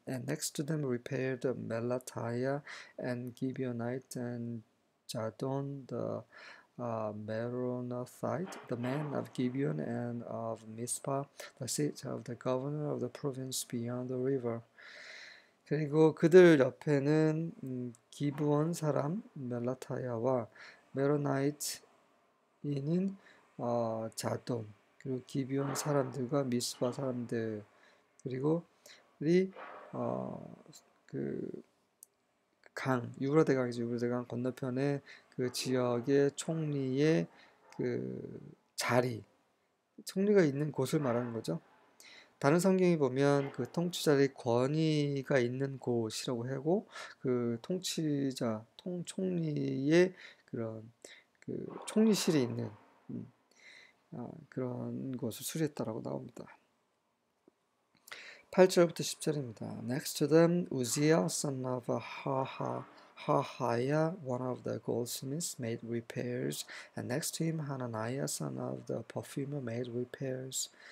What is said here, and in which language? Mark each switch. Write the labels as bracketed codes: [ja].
[en] And next to them repaired Melataya and Gibeonite and Jadon the Meronothite, the man of Gibeon and of Mizpah, the seat of the governor of the province beyond the river. [ko] 그리고 그들 옆에는 기브온 사람 멜라타야와 메로나이트인 자돈 그리고 기브온 사람들과 미스바 사람들 그리고 우리 그 강, 유브라데강이죠. 유브라데강 건너편에 그 지역의 총리의 그 자리, 총리가 있는 곳을 말하는 거죠. 다른 성경이 보면 그 통치자의 권위가 있는 곳이라고 하고, 그 통치자, 총리의 그런 그 총리실이 있는 그런 곳을 수리했다라고 나옵니다. 8절부터 10절입니다. [en] Next to them, Uzziah, son of Harhaiah, one of the goldsmiths, made repairs, and next to him, Hananiah, son of the perfumer, made repairs.